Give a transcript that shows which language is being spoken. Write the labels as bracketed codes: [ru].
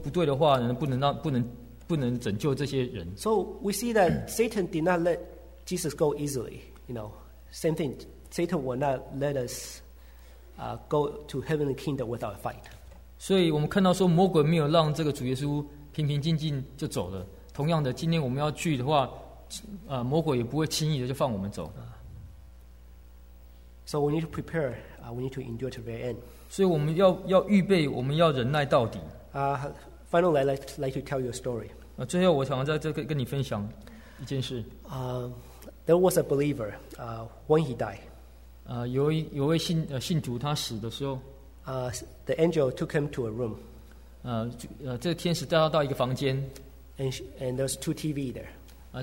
[zh] 所以魔鬼尝试各种方法让周围的人笑他、侮辱他、尝试的让他能失去他的平静、说出不对的话，不能拯救这些人。 [en] So we see that Satan did not let Jesus go easily. You know, same thing. Satan will not let us go to heavenly kingdom without a fight. [zh] 所以我们看到说魔鬼没有让这个主耶稣平平静静就走了。同样的，今天我们要去的话。 [en] So we need to prepare. We need to endure to the very end. [zh] 所以我们要预备，我们要忍耐到底。 [en] Finally, I'd like to tell you a story. [zh] 最后我想要再跟你分享一件事。 [en] There was a believer. When he died. [zh] 有位信徒他死的时候。 [en] The angel took him to a room. [zh] 这个天使带他到一个房间。 [en] And there's two TV there.